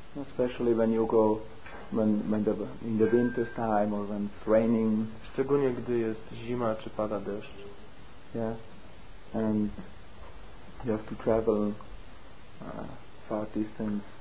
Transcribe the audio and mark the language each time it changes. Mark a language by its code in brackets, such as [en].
[en] Especially when you go in the winter time or when it's raining. [pl] Szczególnie, gdy jest zima, czy pada deszcz. [en] Yeah. And you have to travel far distance.